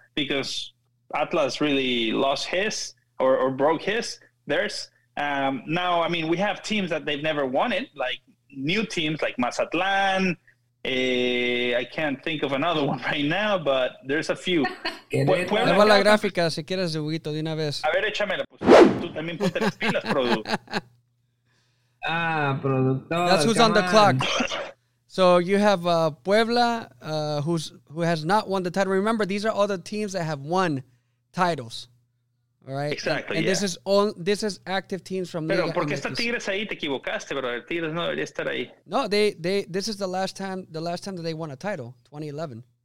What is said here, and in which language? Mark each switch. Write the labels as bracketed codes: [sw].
[en] Because Atlas really lost his or broke his theirs. Now, I mean, we have teams that they've never won it, like new teams like Mazatlán. I can't think of another one right now, but there's a few. [es] Le va la gráfica si quieres, Huguito, de una vez. A ver, échamela. Pues, tú también ponte las pilas, producto. Ah, productor. [en] That's who's on the clock. So you have Puebla, who has not won the title. Remember, these are all the teams that have won titles. All right. Exactly. And yeah. This is active teams from Liga. [es] Pero porque está Tigres ahí, te equivocaste, bro. Tigres no debería estar ahí. [en] No, they this is the last time that they won a title, 2011.